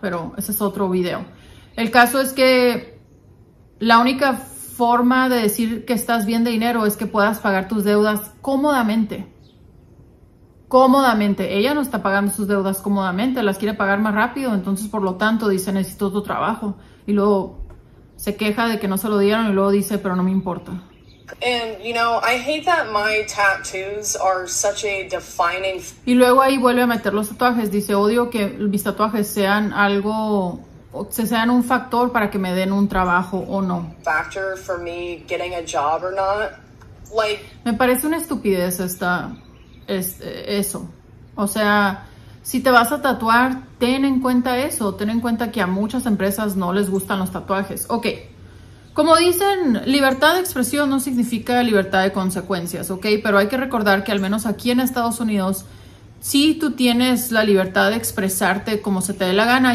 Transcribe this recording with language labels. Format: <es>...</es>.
<es>Pero ese es otro video. El caso es que la única forma de decir que estás bien de dinero es que puedas pagar tus deudas cómodamente. Cómodamente. Ella no está pagando sus deudas cómodamente, las quiere pagar más rápido. Entonces, por lo tanto, dice, necesito tu trabajo. Y luego se queja de que no se lo dieron y luego dice, pero no me importa.</es> <en>And, you know, I hate that my tattoos are such a defining...</en> <es>Y luego ahí vuelve a meter los tatuajes. Dice, odio que mis tatuajes sean algo... O sean un factor para que me den un trabajo o no.</es> <en>Factor for me getting a job or not. Like...</en> <es>Me parece una estupidez esta... eso. O sea, si te vas a tatuar, ten en cuenta eso. Ten en cuenta que a muchas empresas no les gustan los tatuajes. Ok. Como dicen, libertad de expresión no significa libertad de consecuencias. Ok, pero hay que recordar que al menos aquí en Estados Unidos, sí tú tienes la libertad de expresarte como se te dé la gana.</es>